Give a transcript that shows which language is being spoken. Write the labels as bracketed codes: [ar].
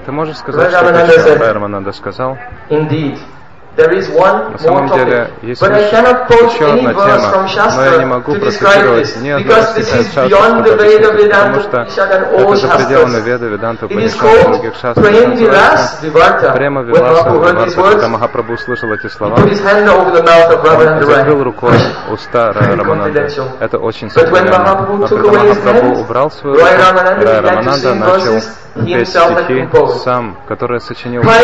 [ru] Ты можешь сказать, что Кришна Рамананда сказал? [en] Indeed. There is one more topic, but I cannot quote any verse from Shastra to describe this, because this is beyond the Veda, Vedanta, Shad and all Shastras. It is called Prem Vilas Divarta. When Mahaprabhu heard these words, he put his hand over the mouth of Ravananda Rai. In confidential. But when Mahaprabhu took away his hand, Rai Ramananda began to sing verses. [ru] Стихи сам, которые сочинил.